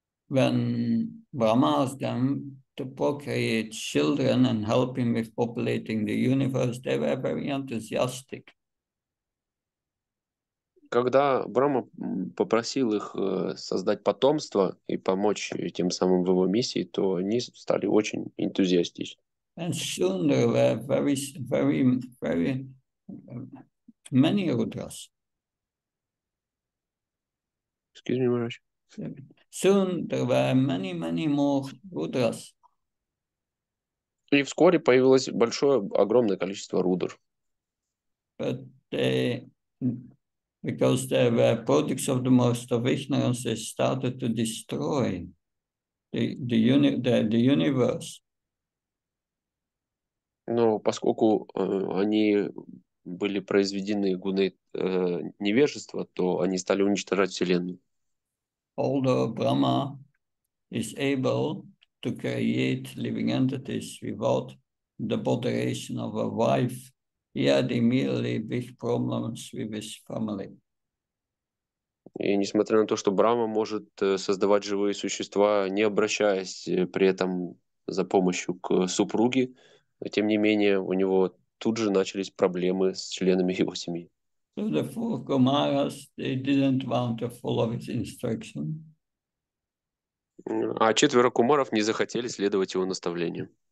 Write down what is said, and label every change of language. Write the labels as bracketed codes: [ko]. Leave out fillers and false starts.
[en] When Brahma asked them to procreate children and help him with populating the universe, they were very enthusiastic. [ru] Когда Брама попросил их создать потомство и помочь тем самым в его миссии, то они стали очень энтузиастичны. [en] And soon there were very, very, very many rudras. Excuse me, Maharaj. Soon there were many, many more rudras. [ru] И вскоре появилось большое, огромное количество рудр. [en] But they, because they were products of the most of ignorance, they started to destroy the universe. [ru] Но поскольку они были произведены гуной невежества, то они стали уничтожать Вселенную. [en] Although Brahma is able to create living entities without the botheration of a wife, he had immediately big problems with his family. [ru] И несмотря на то, что Брама может создавать живые существа, не обращаясь при этом за помощью к супруге, тем не менее у него тут же начались проблемы с членами его семьи. [en] So the four Kumaras, they didn't want to follow his instruction. [ru] А четверо кумаров не захотели следовать его наставлению.